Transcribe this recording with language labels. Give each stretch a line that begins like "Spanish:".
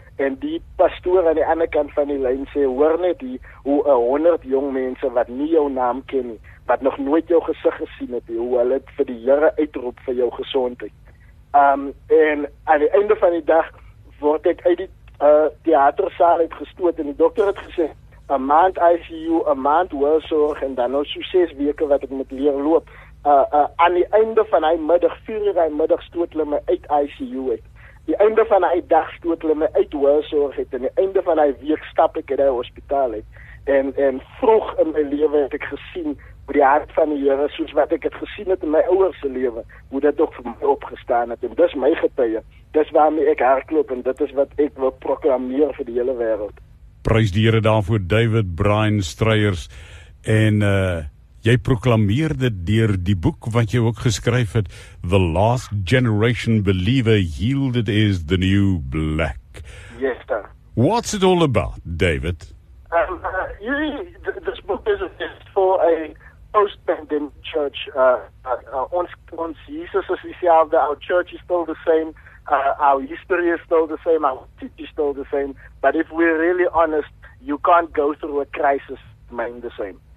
Afrikaans: en die pastoor aan die ander kant van die lyn sê, hoor net die, hoe 100 jong mense wat nie jou naam ken nie, wat nog nooit jou gesig gesien het, hoe hulle het vir die Here uitroep vir jou gesondheid. En aan die einde van die dag word ek uit die theaterzaal uitgestoot en die dokter het gesê, 'n maand ICU, 'n maand hoorzorg en dan nog so 6 weke wat ek moet leer loop. Aan die einde van die middag, 4 uur die middag, stoot hulle my uit ICU uit. Die einde van die dag stoot hulle my uit hoorzorg uit en die einde van die week stap ek uit die hospitaal uit. En vroeg in my lewe het ek gesien hoe die hart van die Here, soos wat ek het gesien het in my ouers se lewe, hoe dit ook vir my opgestaan het. En dis my getuie, dis waarmee ek hardloop en dit is wat ek wil proklameer vir die hele wêreld. Prys die Here daarvoor, David Brian Struyers. En jy proklameer dit deur die boek wat jy ook geskryf het, The Last Generation Believer, Yielded is the New Black.
English: Yes, sir. What's it all about, David? This book is for a post-pandemic church. Once Jesus is
Afrikaans: dieselfde,
English: our church is still the same. Our history is still the same, our teaching is still the same, but if we're really honest, you can't go through a crisis remain the same.